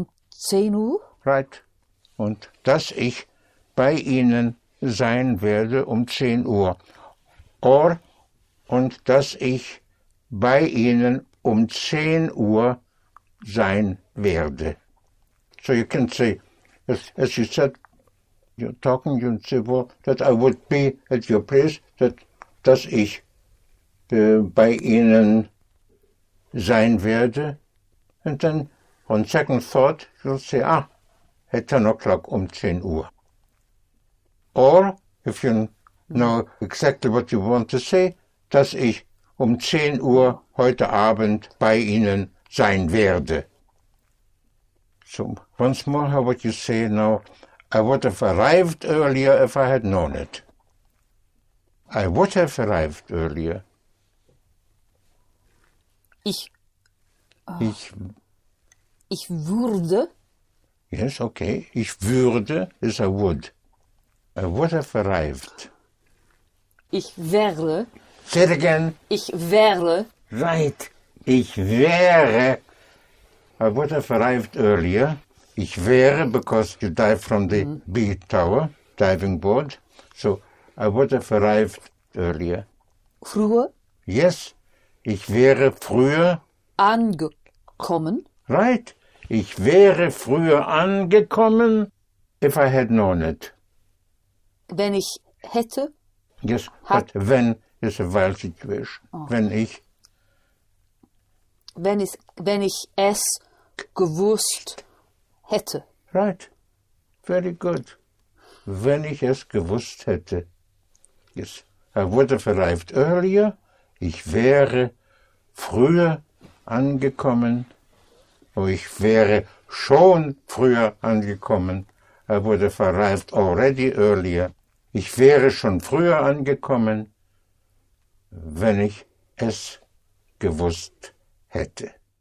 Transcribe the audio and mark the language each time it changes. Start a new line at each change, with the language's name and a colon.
German: 10 Uhr.
English: Right.
German: Und dass ich bei Ihnen sein werde 10 Uhr. Und dass ich bei Ihnen 10 Uhr sein werde.
English: So you can say, as you said, you're talking, you'd say, well, that I would be at your place, that
German: dass ich bei Ihnen sein werde.
English: And then, on second thought, you'll say, ah, at 10 o'clock,
German: 10 Uhr.
English: Or, if you know exactly what you want to say,
German: dass ich 10 Uhr heute Abend bei Ihnen sein werde.
English: So, once more, how would you say now? I would have arrived earlier if I had known it. I would have arrived earlier.
German: Ich würde.
English: Yes, okay.
German: Ich würde
English: is I would. I would have arrived.
German: Ich wäre.
English: Say it again.
German: Ich wäre.
English: Right.
German: Ich wäre.
English: I would have arrived earlier.
German: Ich wäre,
English: because you dive from the B tower, diving board. So, I would have arrived earlier.
German: Früher?
English: Yes.
German: Ich wäre früher. Angekommen?
English: Right.
German: Ich wäre früher angekommen,
English: if I had known it.
German: Wenn ich hätte.
English: Yes, but when is a while situation. Oh.
German: Wenn ich. Wenn ich es gewusst hätte.
English: Right. Very good.
German: Wenn ich es gewusst hätte.
English: Yes. I would have arrived earlier.
German: Ich wäre früher angekommen. Oh, ich wäre schon früher angekommen.
English: I would have arrived already earlier.
German: Ich wäre schon früher angekommen, wenn ich es gewusst hätte.